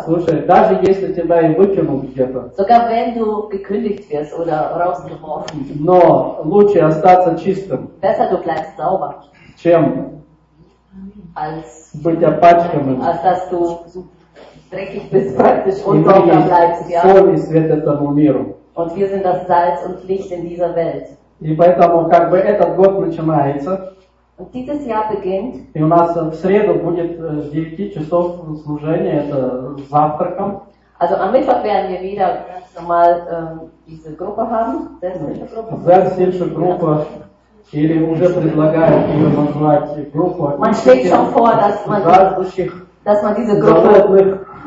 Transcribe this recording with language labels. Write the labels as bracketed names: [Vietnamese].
[Russian] Слушай, даже если тебя и выкинут где-то. [German] Sogar wenn du gekündigt wirst oder rausgeworfen. [Russian] Но лучше остаться чистым. [German] Besser du bleibst sauber. [Russian] Чем? [German] Als [Russian] быть опачканным. [German] Als dass du dreckig bist praktisch und sauber bleibst. Ja? [Russian] Соль и свет этому миру. [German] Und wir sind das Salz und Licht in dieser Welt. [Russian] И поэтому как бы этот год начинается. [German] Und dieses Jahr beginnt. [Russian] И у нас в среду будет с 9 часов служения, это завтраком. [German] Also am Mittwoch werden wir wieder normal diese Gruppe haben, Selbsthilfe Gruppe. [Russian] Или уже предлагают ее назвать группу. [German] Man stellt schon vor, dass man diese Gruppe.